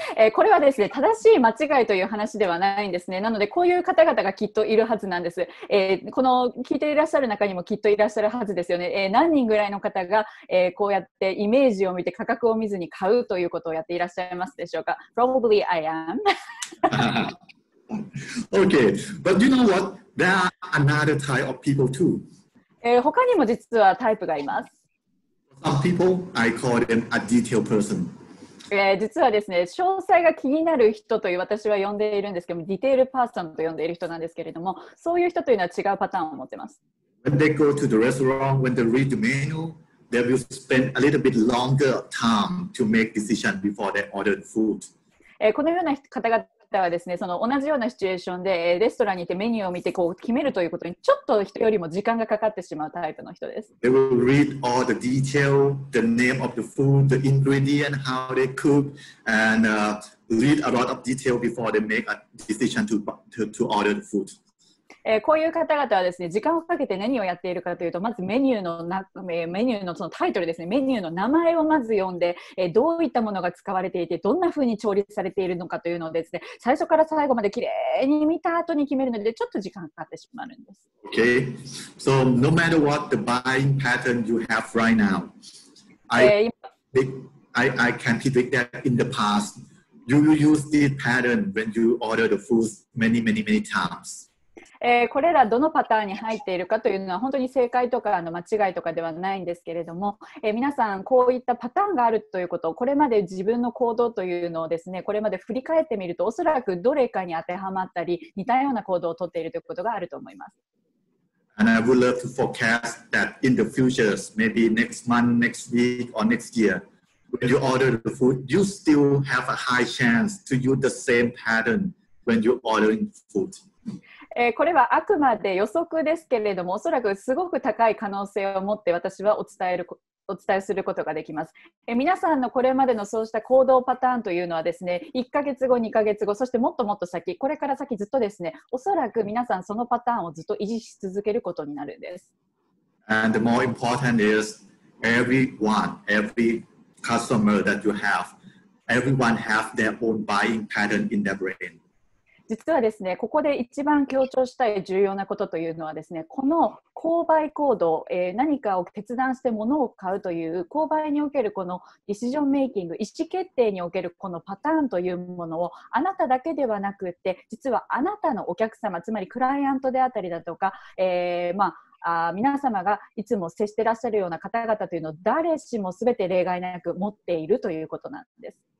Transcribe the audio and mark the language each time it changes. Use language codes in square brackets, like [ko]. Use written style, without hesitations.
[ja] これはですね、正しい間違いという話ではないんですね。なので、こういう方々がきっといるはずなんです。この聞いていらっしゃる中にもきっといらっしゃるはずですよね。何人ぐらいの方が、こうやってイメージを見て価格を見ずに買うということをやっていらっしゃいますでしょうか。 [en] Probably I am. Okay, but you know what? There are another type of people too. [ja] 他にも実はタイプがいます。 [en] Some people, I call them a detailed person. [ja] 実はですね、詳細が気になる人という私は呼んでいるんですけども、ディテールパーソンと呼んでいる人なんですけれども、そういう人というのは違うパターンを持ってます。 [en] When they go to the restaurant, when they read the menu, they will spend a little bit longer time to make decision before they order food. [ja] このような方々はですね、その同じようなシチュエーションでレストランにいてメニューを見てこう決めるということにちょっと人よりも時間がかかってしまうタイプの人です。 [en] They will read all the detail, the name of the food, the ingredient, how they cook, and read a lot of detail before they make a decision to order the food. [ja] こういう方々はですね、時間をかけて何をやっているかというと、まずメニューの、メニューのそのタイトルですね、メニューの名前をまず読んで、どういったものが使われていて、どんな風に調理されているのかというのをですね、最初から最後まできれいに見た後に決めるので、ちょっと時間がかかってしまうんです。 [en] Okay, so no matter what the buying pattern you have right now, I can predict that in the past, you will use this pattern when you order the food many, many, many times. [ja] これらどのパターンに入っているかというのは本当に正解とかの間違いとかではないんですけれども、皆さんこういったパターンがあるということをこれまで自分の行動というのをですね、これまで振り返ってみるとおそらくどれかに当てはまったり似たような行動をとっているということがあると思います。 [en] And I would love to forecast that in the future, maybe next month, next week or next year, when you order the food, you still have a high chance to use the same pattern when you're ordering food. [ja] これはあくまで予測ですけれども、おそらくすごく高い可能性を持って私はお伝えすることができます。皆さんのこれまでのそうした行動パターンというのはですね、1ヶ月後、2ヶ月後、そしてもっともっと先、これから先ずっとですね、おそらく皆さんそのパターンをずっと維持し続けることになるんです。 [en] And the more important is everyone, every customer that you have, everyone have their own buying pattern in their brain. [ja] 実はですね、ここで一番強調したい重要なことというのはですね、この購買行動、何かを決断して物を買うという購買におけるこのディシジョンメイキング、意思決定におけるこのパターンというものをあなただけではなくって、実はあなたのお客様、つまりクライアントであったりだとか、皆様がいつも接してらっしゃるような方々というのを誰しも全て例外なく持っているということなんです。